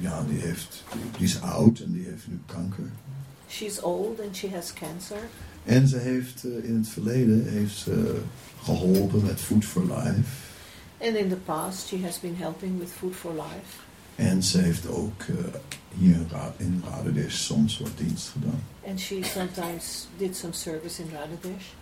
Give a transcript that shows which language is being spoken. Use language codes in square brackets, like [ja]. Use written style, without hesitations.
[nl] Die is oud en die heeft nu kanker. [en] She's old and she has cancer. [nl] En ze heeft in het verleden heeft ze geholpen met Food for Life. [en] And in the past she has been helping with Food for Life. [nl] En ze heeft ook in Radhadesh soms wat dienst gedaan. [en] And she sometimes did some service in Radhadesh.